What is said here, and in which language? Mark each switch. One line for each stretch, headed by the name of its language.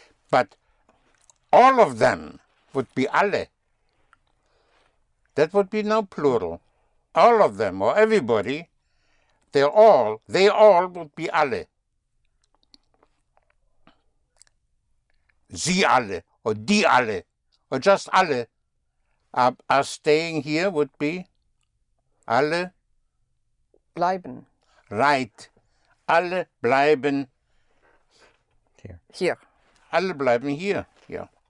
English: But all of them would be alle. That would be now plural. All of them or everybody, they all would be alle.
German: Sie alle or die alle or just alle.
English: Are staying here would be alle
German: bleiben. Right. Alle bleiben
English: here. Here.
German: Alle bleiben hier. Yeah.